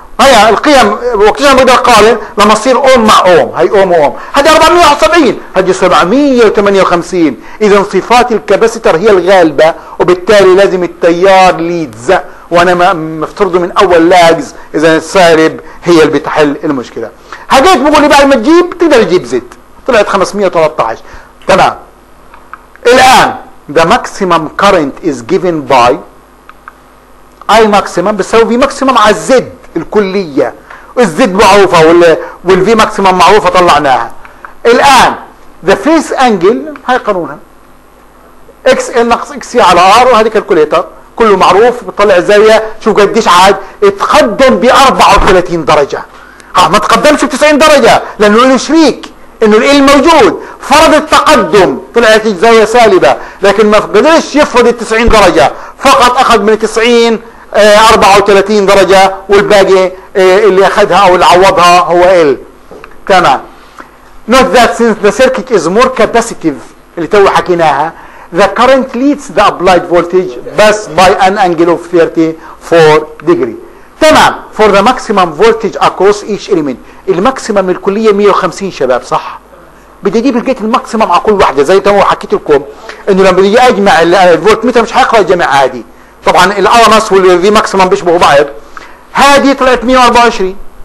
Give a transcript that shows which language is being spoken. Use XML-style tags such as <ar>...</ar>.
<ar>هيا القيم وقتها بقدر اقارن لما تصير اوم مع اوم, هي اوم واوم, هذه 470 هذه 758, اذا صفات الكاباسيتر هي الغالبة, وبالتالي لازم التيار ليدز, وانا مفترضه من اول لاجز, اذا السالب هي اللي بتحل المشكلة. حقيقة بقول لي بعد ما تجيب تقدر تجيب زد, طلعت 513. تمام, الان the maximum current is given by I maximum بيساوي V maximum على الزد الكلية, الزد معروفة والV maximum معروفة طلعناها. الان the phase angle هاي قانونها, XL ناقص XC على R, وهذه كالكوليتر كله معروف، بتطلع الزاويه شوف قديش عاد اتقدم ب 34 درجه. ما تقدمش ب 90 درجه لانه الشريك انه ال موجود، فرض التقدم طلعت الزاويه سالبه، لكن ما قدرش يفرض ال 90 درجه، فقط اخذ من 90 34 درجه، والباقي اللي اخذها او اللي عوضها هو ال. تمام.</ar> <en>Not that since the circuit is more capacitive اللي تو حكيناها، the current leads the applied voltage but by an angle of 34 degree. تمام. For the maximum voltage across each element.</en> <ar>الماكسيمم الكلية 150 شباب صح؟ بدي اجيب لقيت الماكسيمم على كل واحدة، زي تو حكيت لكم انه لما بدي اجمع الفولت متر مش حقرا الجمع عادي. طبعا الارمس والذي ماكسيمم بيشبهوا بعض. هذه طلعت 124.</ar>